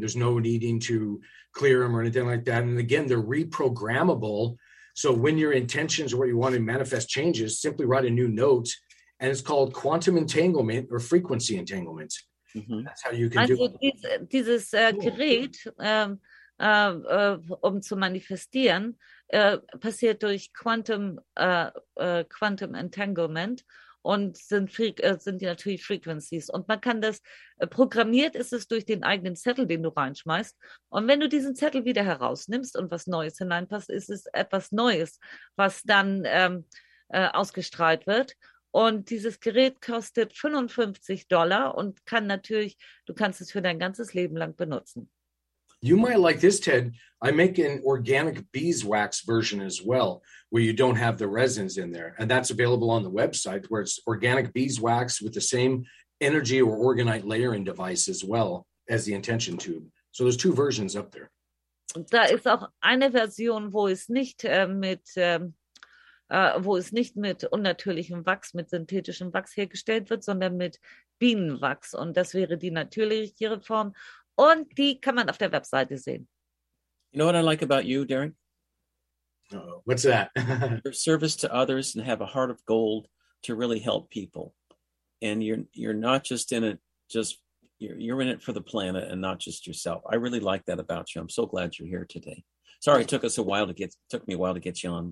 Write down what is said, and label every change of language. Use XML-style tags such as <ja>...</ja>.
<en>There's no needing to clear them or anything like that. And again, they're reprogrammable. So when your intentions or what you want to manifest changes, simply write a new note. And it's called quantum entanglement or frequency entanglement. Mm-hmm. That's how you can do it.</en> <de>Dieses Gerät... um zu manifestieren, passiert durch Quantum Entanglement und sind natürlich Frequencies. Und man kann das, programmiert ist es durch den eigenen Zettel, den du reinschmeißt. Und wenn du diesen Zettel wieder herausnimmst und was Neues hineinpasst, ist es etwas Neues, was dann ausgestrahlt wird. Und dieses Gerät kostet $55 und kann natürlich, du kannst es für dein ganzes Leben lang benutzen.</de> <en>You might like this, Ted. I make an organic beeswax version as well, where you don't have the resins in there. And that's available on the website, where it's organic beeswax with the same energy or organite layering device as well. as the intention tube. So there's two versions up there.</en> <de>Da ist auch eine Version, wo es nicht mit unnatürlichem Wachs, mit synthetischem Wachs hergestellt wird, sondern mit Bienenwachs. Und das wäre die natürlichere Form. Und die kann man auf der Webseite sehen.</de> <en>You know what I like about you, Darren? What's that? Your service to others and have a heart of gold to really help people. And you're not just in it, you're in it for the planet and not just yourself. I really like that about you. I'm so glad you're here today. Sorry, it took me a while to get you on.</en>